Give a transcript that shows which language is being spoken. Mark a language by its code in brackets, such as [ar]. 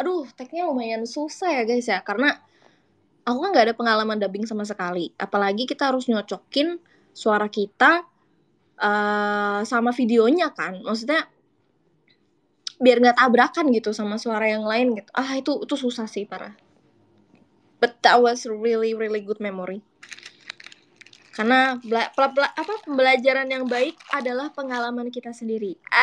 [id] Aduh, tagnya lumayan susah ya guys ya. Karena aku kan gak ada pengalaman dubbing sama sekali. Apalagi kita harus nyocokin suara kita sama videonya kan. Maksudnya biar gak tabrakan gitu sama suara yang lain gitu. Ah, itu susah sih, parah. [en] But that was really, really good memory. [id] Karena pembelajaran yang baik adalah pengalaman kita sendiri.